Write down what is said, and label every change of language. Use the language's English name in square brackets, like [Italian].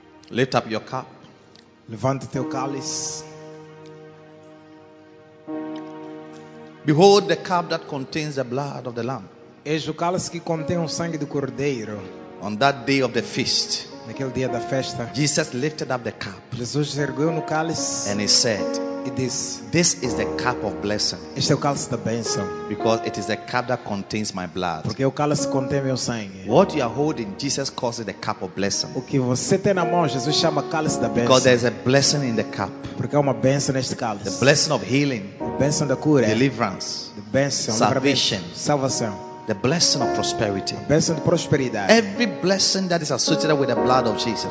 [English] Lift up your cup. [Portuguese] Levanta teu cálice. [English] Behold the cup that contains the blood of the Lamb. [Portuguese] Eis o cálice que contém o sangue do Cordeiro. [English] On that day of the feast. [Portuguese] Naquele dia da festa. [English] Jesus lifted up the cup. [Portuguese] Jesus ergueu no cálice. [English] And he said. [Portuguese] E disse. [English] This is the cup of blessing. [Portuguese] Este é o cálice da bênção. [English] Because it is the cup that contains my blood. [Portuguese] Porque o cálice contém meu sangue. [English] What you are holding, Jesus calls it the cup of blessing. [Portuguese] O que você tem na mão, Jesus chama cálice da bênção. [English] Because there is a blessing in the cup. [Portuguese] Porque há uma bênção neste cálice. [English] The blessing of healing. [Portuguese] A bênção da cura. [English] Deliverance. [Portuguese] A bênção. [English] Salvation. [Portuguese] Salvação. [English] The blessing of prosperity. [Portuguese] A bênção de prosperidade. [English] Every blessing that is associated with the blood of Jesus.